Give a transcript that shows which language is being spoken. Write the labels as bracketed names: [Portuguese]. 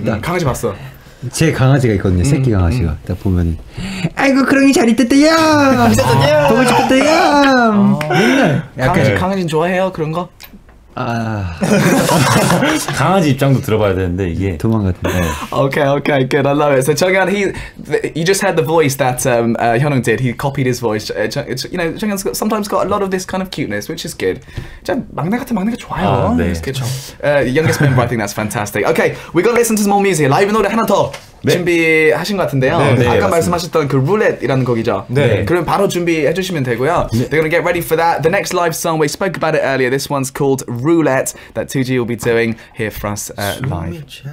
[Korean] 나 강아지 봤어. 제 강아지가 있거든요. 새끼 강아지가 딱 보면 아이고 그렁이 잘 있댔대요. 보고 싶었대요. 맨날 강아지 좋아해요 그런 거. 아 강아지 입장도 들어봐야 되는데 이게 도망갔네. [English] Okay, okay, good. I love it. So, Jung, you just had the voice that Hyunwoong did. He copied his voice. You know, Jung's got sometimes got a lot of this kind of cuteness, which is good. [Korean] 자, 막내 같은 막내가 좋아요. [English] 아, 네. It's good. Youngest member, I think that's fantastic. Okay, we got to listen to some more music. [Korean] 라이브 노래 하나 더 네. 준비하신 것 같은데요. 네, 아까 맞습니다. 말씀하셨던 그 룰렛이라는 곡이죠. 네. 그럼 바로 준비해 주시면 되고요. [English] 네. They're gonna get ready for that. The next live song, we spoke about it earlier. This one's called Roulette that 2G will be doing here for us live.